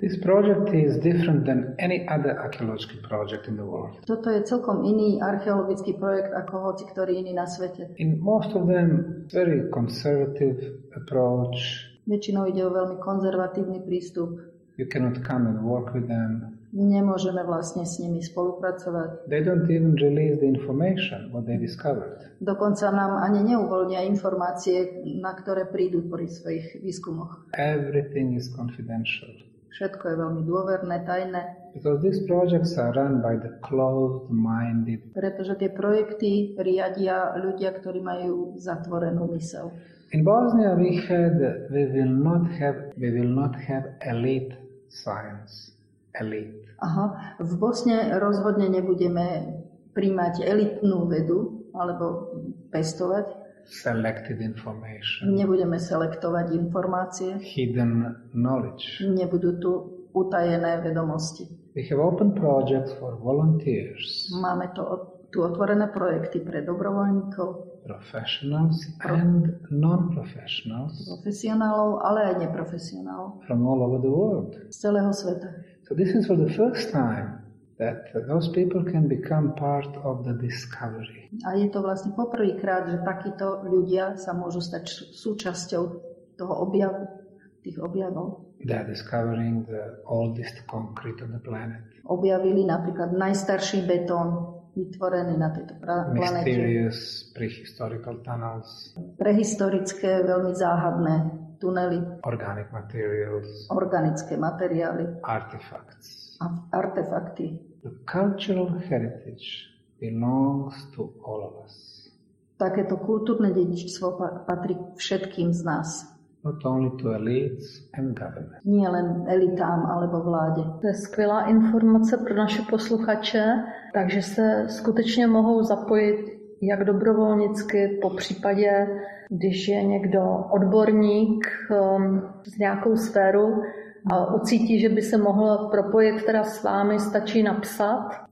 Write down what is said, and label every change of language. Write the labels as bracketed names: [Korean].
[English] This project is different than any other archaeological project in the world. [Slovak] Toto je celkom iný archeologický projekt ako hoci ktorý iný na svete. [English] In most of them very conservative approach. [Slovak] Väčšinou ide o veľmi konzervatívny prístup. [English] You cannot come and work with them. [Slovak] Nemôžeme vlastne s nimi spolupracovať. [English] They don't even release the information what they discovered. [Slovak] Dokonca nám ani neuvoľnia informácie, na ktoré prídu pri svojich výskumoch. [English] Everything is confidential. [Slovak] Všetko je veľmi dôverné, tajné. [English] Because these projects are run by the closed-minded. [Slovak] Pretože tie projekty riadia ľudia, ktorí majú zatvorenú myseľ. [English] In Bosnia we will not have elite science. Elite. [Slovak] Aha, v Bosne rozhodne nebudeme príjmať elitnú vedu alebo pestovať. [English] Selected information. [Slovak] Nebudeme selektovať informácie. [English] Hidden knowledge. [Slovak] Nebudú tu utajené vedomosti. [English] We have open projects for volunteers. [Slovak] Máme tu otvorené projekty pre dobrovoľníkov. [English] Professionals and non-professionals. [Slovak] Profesionálov, ale aj neprofesionálov. [English] From all over the world. [Slovak] Z celého sveta. [English] So this is for the first time that those people can become part of the discovery. [Slovak] A je to vlastne poprvýkrát, že takíto ľudia sa môžu stať súčasťou toho objavu, tých objavov. [English] They are discovering the oldest concrete on the planet. [Slovak] Objavili napríklad najstarší betón vytvorený na tejto planete. [English] Mysterious prehistorical tunnels. [Slovak] Prehistorické, veľmi záhadné tunely. [English] Organic materials. [Slovak] Organické materiály. [English] Artifacts. [Slovak] Artefakty. [English] The cultural heritage belongs to all of us. [Slovak] Takéto kultúrne dedičstvo patrí všetkým z nás. [English] Not only to elites and government. [Slovak] Nie len elitám alebo vláde. [Czech] To je skvělá informace pro naše posluchače, takže se skutečně mohou zapojit jak dobrovolnicky, po případě, když je někdo odborník z nějakou sféru a ucítí, že by se mohl propojit teda s vámi, stačí napsat.